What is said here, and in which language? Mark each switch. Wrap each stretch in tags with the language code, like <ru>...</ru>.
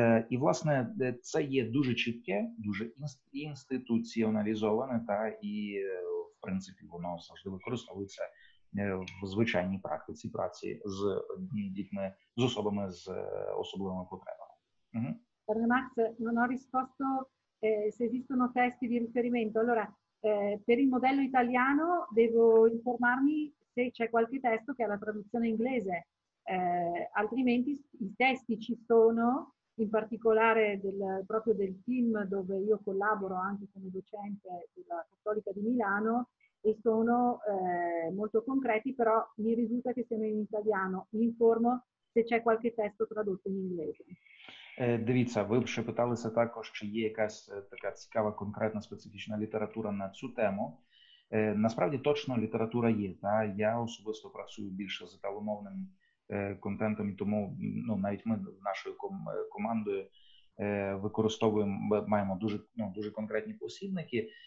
<uk>І, власне, це є дуже чітке, дуже інституціоналізоване, та, і, в принципі, воно завжди використовується в звичайній практиці праці з дітьми, з особами з особливими потребами. Пане</uk> <it>Макс, non ho risposto se esistono testi di riferimento. Allora, per il modello italiano devo informarmi se c'è qualche testo che ha la traduzione inglese. Altrimenti i testi ci sono, in particolare proprio del team dove io collaboro anche come docente della Cattolica di Milano, e sono molto concreti, però mi risulta che siano in italiano. Mi informo se c'è qualche testo tradotto in inglese.</it> <uk>Дивіться, ви ще питалися також, чи є якась така цікава, конкретна, специфічна література на цю тему. Насправді точно література є. Та? Я особисто працюю більше з таломовним контентом, тому навіть ми нашою командою використовуємо, маємо дуже, дуже конкретні посібники.</uk>